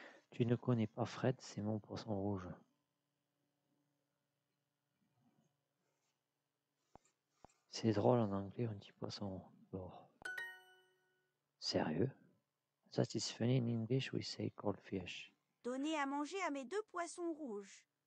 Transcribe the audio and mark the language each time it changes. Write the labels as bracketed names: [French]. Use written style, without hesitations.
[French] Tu ne connais pas Fred, c'est mon poisson rouge. C'est drôle en anglais, on dit poisson d'or. Sérieux? [English] That is funny in English, we say goldfish. [French] Donnez à manger à mes deux poissons rouges.